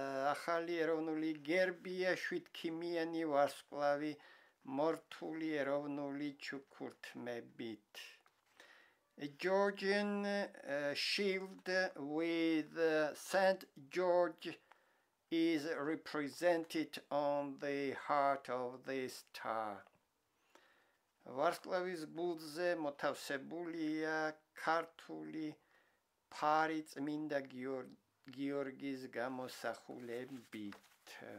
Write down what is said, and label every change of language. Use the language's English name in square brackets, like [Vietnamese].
[Georgian] ახალი ეროვნული გერბია შვიდქიმიანი ვარსკვლავი მორთული ეროვნული ჩუქურთმებით. [English] A Georgian shield with Saint George is represented on the heart of the star. [Georgian] Варсклавის გულზე მოთავსებულია ქართული ფარი წმინდა გიორგის გამოსახულებით.